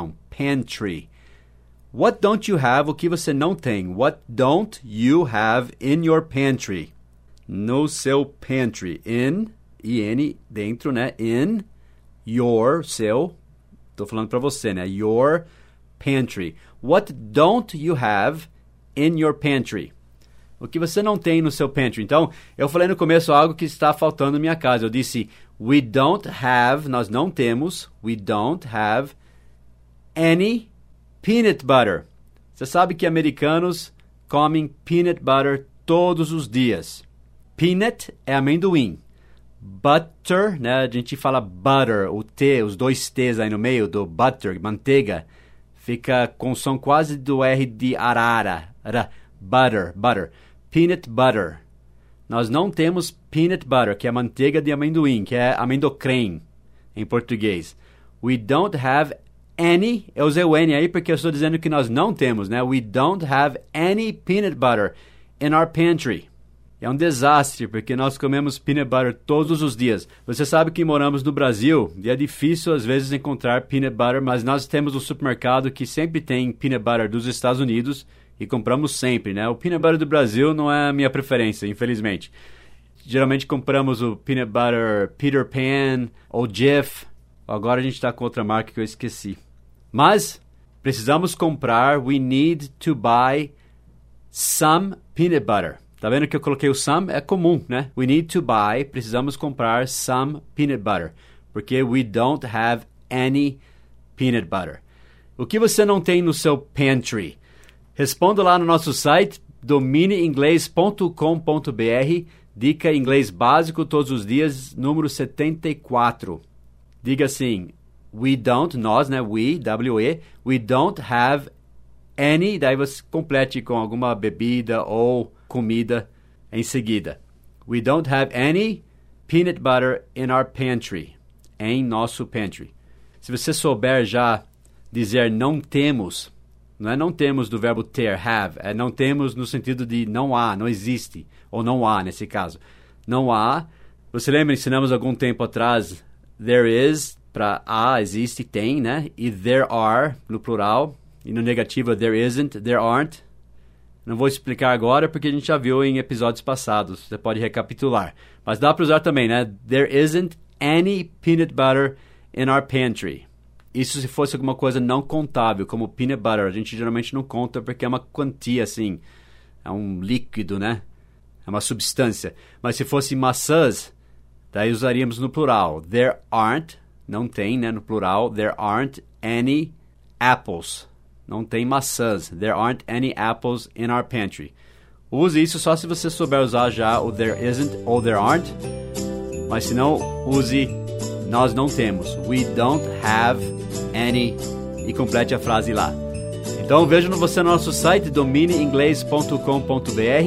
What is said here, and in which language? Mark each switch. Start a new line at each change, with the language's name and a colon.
English: Pantry. What don't you have,
Portuguese: o que você não tem?
English: What don't you have in your pantry?
Portuguese: No seu pantry. In, I-N, dentro, né? In, your, seu. Tô falando para você, né?
English: Your pantry. What don't you have in your pantry?
Portuguese: O que você não tem no seu pantry? Então, eu falei no começo algo que está faltando na minha casa. Eu disse,
English: we don't have,
Portuguese: nós não temos,
English: we don't have any peanut butter.
Portuguese: Você sabe que americanos comem peanut butter todos os dias. Peanut é amendoim. Butter, né? A gente fala butter, o T, os dois T's aí no meio do butter, manteiga. Fica com som quase do R de arara. Ra. Butter, butter. Peanut butter. Nós não temos peanut butter, que é manteiga de amendoim, que é amendocrem em português.
English: We don't have any,
Portuguese: eu usei o N aí porque eu estou dizendo que nós não temos, né?
English: We don't have any peanut butter in our pantry.
Portuguese: É um desastre porque nós comemos peanut butter todos os dias. Você sabe que moramos no Brasil e é difícil às vezes encontrar peanut butter, mas nós temos um supermercado que sempre tem peanut butter dos Estados Unidos e compramos sempre, né? O peanut butter do Brasil não é a minha preferência, infelizmente. Geralmente compramos o peanut butter Peter Pan ou Jif. Agora a gente está com outra marca que eu esqueci. Mas precisamos comprar,
English: we need to buy some peanut butter.
Portuguese: Tá vendo que eu coloquei o some? É comum, né?
English: We need to buy,
Portuguese: precisamos comprar some peanut butter.
English: Porque we don't have any peanut butter.
Portuguese: O que você não tem no seu pantry? Responda lá no nosso site, dominiinglês.com.br. Dica em inglês básico todos os dias, número 74. Diga assim, we don't, nós, né, we, W-E,
English: we don't have any,
Portuguese: daí você complete com alguma bebida ou comida em seguida.
English: We don't have any peanut butter in our pantry,
Portuguese: em nosso pantry. Se você souber já dizer não temos, não é não temos do verbo ter, have, é não temos no sentido de não há, não existe, ou não há nesse caso. Não há, você lembra, ensinamos algum tempo atrás,
English: there is,
Portuguese: para há, existe, tem, né? E
English: there are,
Portuguese: no plural. E no negativo,
English: there isn't, there aren't.
Portuguese: Não vou explicar agora, porque a gente já viu em episódios passados. Você pode recapitular. Mas dá para usar também, né?
English: There isn't any peanut butter in our pantry.
Portuguese: Isso se fosse alguma coisa não contável, como peanut butter. A gente geralmente não conta porque é uma quantia, assim. É um líquido, né? É uma substância. Mas se fosse maçãs, daí usaríamos no plural.
English: There aren't,
Portuguese: não tem, né, no plural.
English: There aren't any apples.
Portuguese: Não tem maçãs.
English: There aren't any apples in our pantry.
Portuguese: Use isso só se você souber usar já o
English: there isn't
Portuguese: ou
English: there aren't.
Portuguese: Mas se não, use nós não temos.
English: We don't have any.
Portuguese: E complete a frase lá. Então veja você no nosso site domineinglês.com.br.